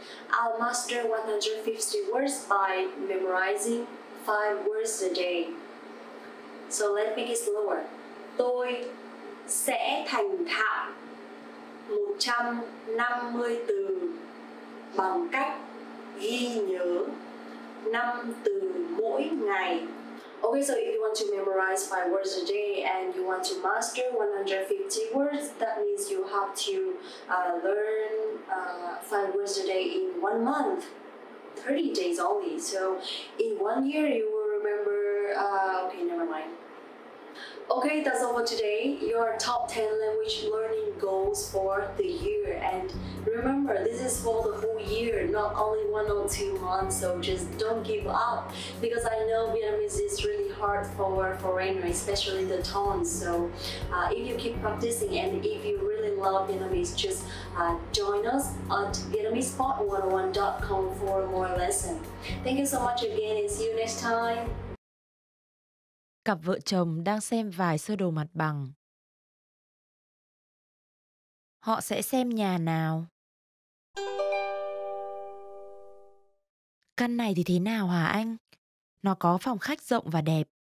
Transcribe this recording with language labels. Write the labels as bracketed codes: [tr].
[en] I'll master 150 words by memorizing 5 words a day. So let's make it slower. [vi] Tôi sẽ thành thạo 150 từ bằng cách ghi nhớ 5 từ mỗi ngày. [en] Okay, so if you want to memorize 5 words a day and you want to master 150 words, that means you have to learn 5 words a day in 1 month, 30 days only. So in 1 year, you will remember... okay, never mind. Okay, that's all for today. Your top 10 language learning goals for the year. And remember, this is for the whole year, not only 1 or 2 months. So just don't give up, because I know Vietnamese is really hard for a foreigner, especially the tones. So if you keep practicing and if you really love Vietnamese, just join us at VietnamesePod101.com for more lessons. Thank you so much again, and see you next time. [vi] Cặp vợ chồng đang xem vài sơ đồ mặt bằng. Họ sẽ xem nhà nào? Căn này thì thế nào hả anh? Nó có phòng khách rộng và đẹp.